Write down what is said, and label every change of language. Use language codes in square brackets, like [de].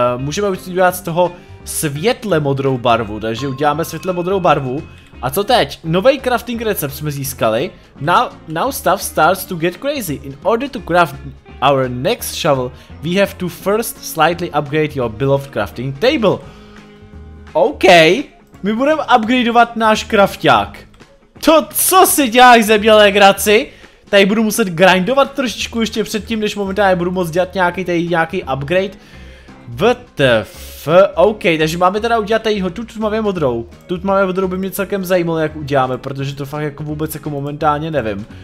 [cs] Můžeme udělat z toho světle modrou barvu, takže uděláme světle modrou barvu. A co teď? Novej crafting recept jsme získali. [en] Now stuff starts to get crazy. In order to craft our next shovel, we have to first slightly upgrade your beloved crafting table. OK. [cs] My budeme upgradeovat náš krafták. To co si děláš ze mě, legraci? Tady budu muset grindovat trošičku ještě předtím, než momentálně budu moct dělat nějaký upgrade. WTF? OK, takže máme teda udělat tady ho tutmavě modrou by mě celkem zajímalo, jak uděláme, protože to fakt jako vůbec jako momentálně nevím.